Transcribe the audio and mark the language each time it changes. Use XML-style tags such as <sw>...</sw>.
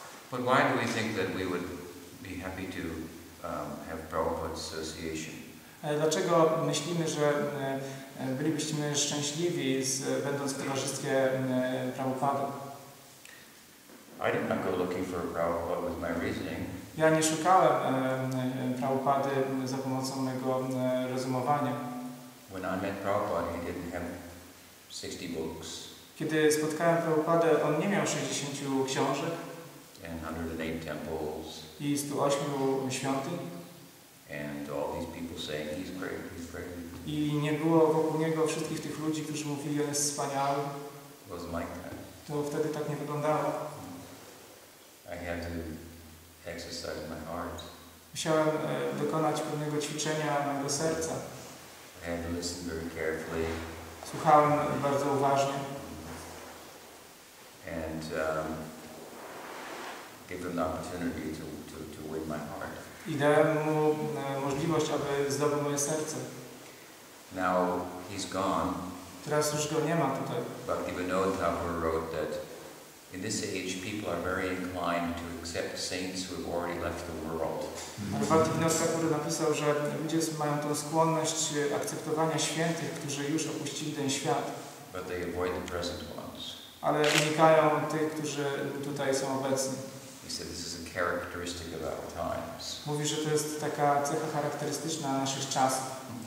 <en>But why do we think that we would be happy to have Prabhupada's association?</en> <pl>Dlaczego myślimy, że bylibyśmy szczęśliwi będąc w towarzystwie Prabhupada?</pl> <en>I did not go looking for Prabhupada with my reasoning.</en> <pl>Ja nie szukałem Prabhupady za pomocą mojego rozumowania.</pl> <en>When I met Prabhupada, he didn't have 60 books.</en> <pl>Kiedy spotkałem Prabhupadę, on nie miał 60 książek.</pl> <en>And 108 temples.</en> <pl>I 108 świątyń.</pl> <en>And all these people saying he's great, he's great.</en> <pl>I nie było wokół niego wszystkich tych ludzi, którzy mówili, on jest wspaniały.</pl> <en>It was my time.</en> <pl>To wtedy tak nie wyglądało.</pl> <en>I had to exercise my heart.</en> <pl>Musiałem dokonać pewnego ćwiczenia mojego serca.</pl> <en>I had to listen very carefully.</en> <pl>Słuchałem bardzo uważnie.</pl> <en>And give them the opportunity to win my heart.</en> <pl>I dałem mu możliwość, aby zdobył moje serce.</pl> <en>Now he's gone.</en> <pl>Teraz już go nie ma tutaj.</pl> <en>Bhaktivinoda Thakur wrote that in this age people are very inclined to accept saints who have already left the world.</en> <pl>Bhaktivinoda Thakur napisał, że ludzie mają tą skłonność akceptowania świętych, którzy już opuścili ten świat.</pl> <en>But they avoid the present ones.</en> <pl>Ale unikają tych, którzy tutaj są obecni.</pl> <en>He said this is a characteristic of our times.</en> <pl>Mówi, że to jest taka cecha charakterystyczna naszych czasów.</pl>